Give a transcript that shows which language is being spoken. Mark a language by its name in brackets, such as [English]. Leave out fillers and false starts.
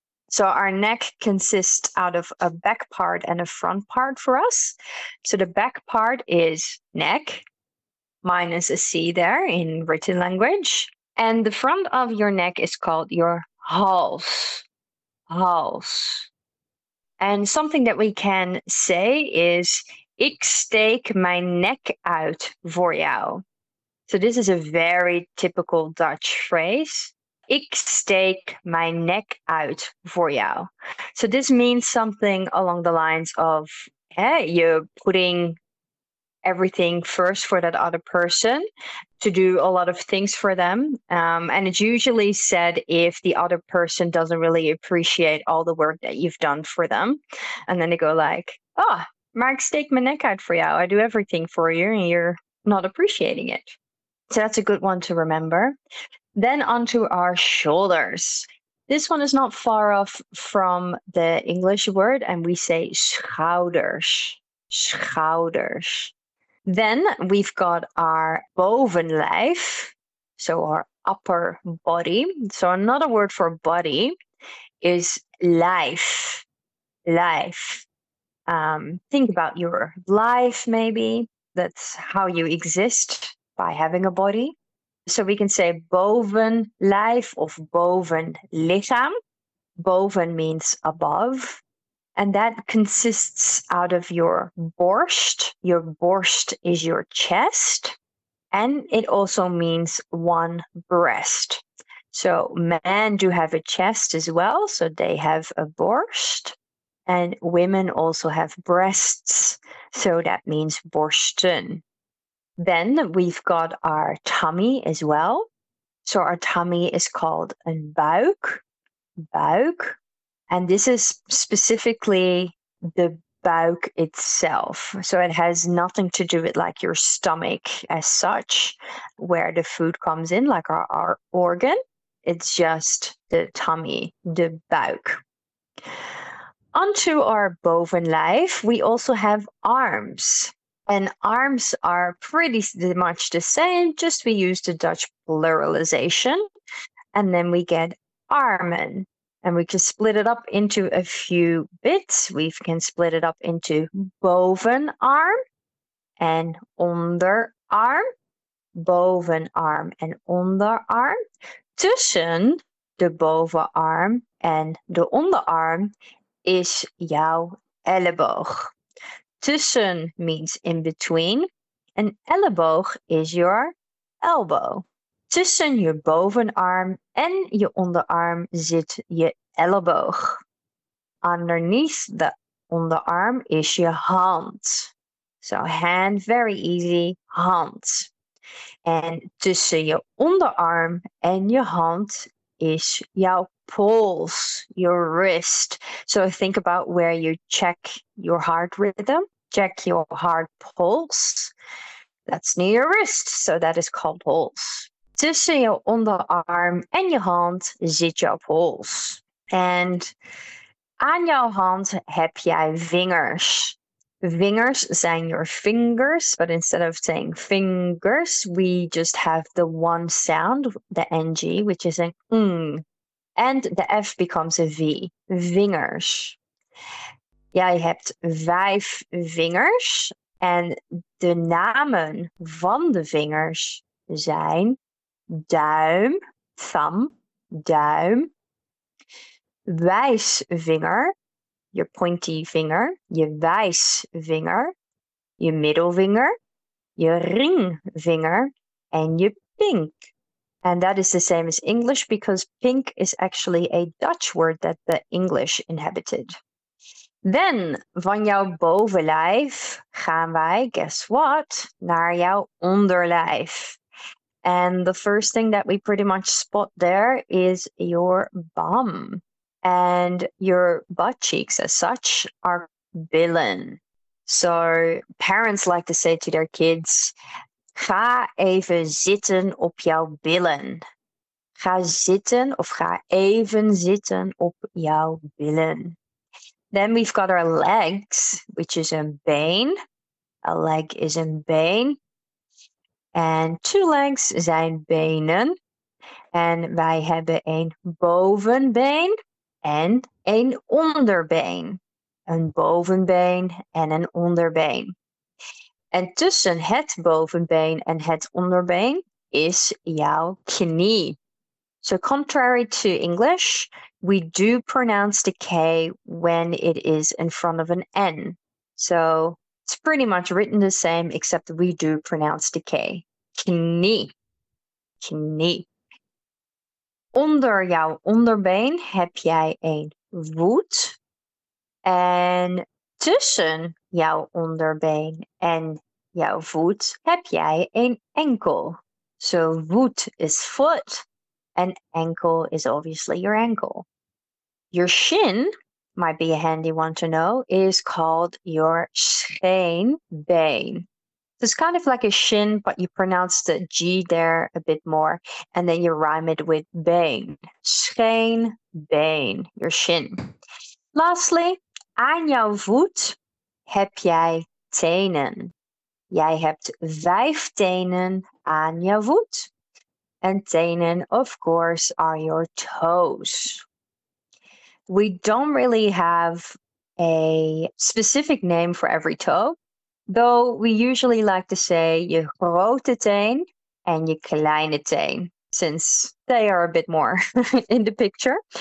[English] So our neck consists out of a back part and a front part for us. So the back part is neck, minus a C there in written language. And the front of your neck is called your hals. Hals. And something that we can say is, [Dutch] ik steek mijn nek uit voor jou. [English] So this is a very typical Dutch phrase. [Dutch] Ik steek mijn nek uit voor jou. [English] So this means something along the lines of, hey, you're putting everything first for that other person, to do a lot of things for them. And it's usually said if the other person doesn't really appreciate all the work that you've done for them. And then they go like, oh, Mark, [Dutch] steek mijn nek uit voor jou. [English] I do everything for you and you're not appreciating it. So that's a good one to remember. Then onto our shoulders. This one is not far off from the English word, and we say schouders. Schouders. Then we've got our bovenlijf, so our upper body. So another word for body is lijf. Lijf. Think about your life, maybe. That's how you exist, by having a body. So we can say bovenlijf of bovenlichaam. Boven means above. And that consists out of your borst. Your borst is your chest. And it also means one breast. So men do have a chest as well. So they have a borst. And women also have breasts. So that means borsten. Then we've got our tummy as well. So our tummy is called een buik. Buik. And this is specifically the buik itself. So it has nothing to do with like your stomach as such, where the food comes in, like our organ. It's just the tummy, the buik. Onto our bovenlijf, we also have arms. And arms are pretty much the same, just we use the Dutch pluralization. And then we get armen. And we can split it up into a few bits. We can split it up into bovenarm and onderarm. Bovenarm and onderarm. [Dutch] Tussen de bovenarm en de onderarm is jouw elleboog. [English] Tussen means in between. And elleboog is your elbow. [Dutch] Tussen je bovenarm en je onderarm zit je elleboog. [English] Underneath the onderarm is your hand. So hand, very easy, hand. And tussen your onderarm and your hand is your pulse, your wrist. So think about where you check your heart rhythm, check your heart pulse. That's near your wrist, so that is called pulse. Tussen your onderarm and your hand zit your pulse. And [Dutch] Aan jouw hand heb jij vingers. Vingers zijn [English] your fingers, but instead of saying fingers, we just have the one sound, the ng, which is an ng. And the f becomes a v. Vingers. [Dutch] Jij hebt vijf vingers en de namen van de vingers zijn duim, thumb, duim, wijsvinger, je pointy vinger, je wijsvinger, je middelvinger, je ringvinger en je pink. [English] And that is the same as English because pink is actually a Dutch word that the English inhabited. [Dutch] Then, van jouw bovenlijf gaan wij, [English] guess what, [Dutch] naar jouw onderlijf. [English] And the first thing that we pretty much spot there is your bum. And your butt cheeks as such are billen. So parents like to say to their kids, [Dutch] ga even zitten op jouw billen. Ga zitten of ga even zitten op jouw billen. [English] Then we've got our legs, which is een been. A leg is een been. And two legs [Dutch] zijn benen. En wij hebben een bovenbeen en een onderbeen. Een bovenbeen en een onderbeen. En tussen het bovenbeen en het onderbeen is jouw knie. [English] So contrary to English, we do pronounce the K when it is in front of an N. So it's pretty much written the same, except we do pronounce the K. Knie. Knie. [Dutch] Onder jouw onderbeen heb jij een voet. En tussen jouw onderbeen en jouw voet heb jij een enkel. [English] So voet is foot. An ankle is obviously your ankle. Your shin, might be a handy one to know, is called your scheenbeen. So it's kind of like a shin, but you pronounce the G there a bit more, and then you rhyme it with been. Scheenbeen, your shin. [Dutch] Lastly, aan jouw voet heb jij tenen. Jij hebt vijf tenen aan jouw voet. [English] And tenen, of course, are your toes. We don't really have a specific name for every toe, though we usually like to say [Dutch] je grote teen [English] and [Dutch] je kleine teen, [English] since they are a bit more in the picture.